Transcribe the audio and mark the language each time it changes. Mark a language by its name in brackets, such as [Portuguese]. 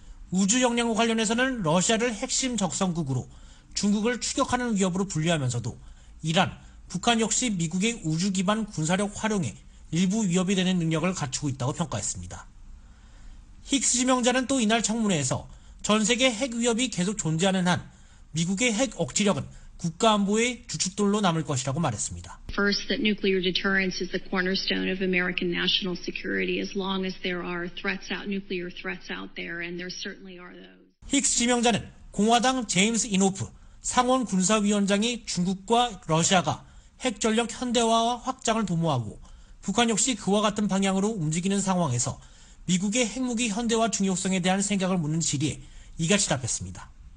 [Korean] 우주 역량 관련해서는 러시아를 핵심 적성국으로 중국을 추격하는 위협으로 분류하면서도 이란, 북한 역시 미국의 우주 기반 군사력 활용에 일부 위협이 되는 능력을 갖추고 있다고 평가했습니다. 힉스 지명자는 또 이날 청문회에서 전 세계 핵 위협이 계속 존재하는 한 미국의 핵 억지력은 국가 안보의 주춧돌로 남을 것이라고 말했습니다. [English] First, that nuclear deterrence is the cornerstone of American national security as long as there are threats out, nuclear threats out there, and there certainly are those. [Korean] 힉스 지명자는 공화당 제임스 인호프 상원 군사위원장이 중국과 러시아가 핵 전력 현대화와 확장을 도모하고 북한 역시 그와 같은 방향으로 움직이는 상황에서 미국의 핵무기 현대화 중요성에 대한 생각을 묻는 질의에 이같이 답했습니다.